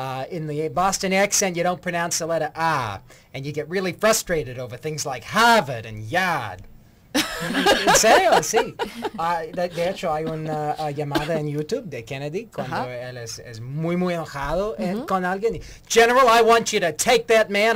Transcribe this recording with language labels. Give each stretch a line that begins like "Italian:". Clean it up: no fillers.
English: In the Boston accent, you don't pronounce the letter A. And you get really frustrated over things like Harvard and Yard.
Spanish: En serio, sí. De hecho, hay una llamada en YouTube de Kennedy cuando él es muy, muy enojado con alguien.
English: General, I want you to take that man.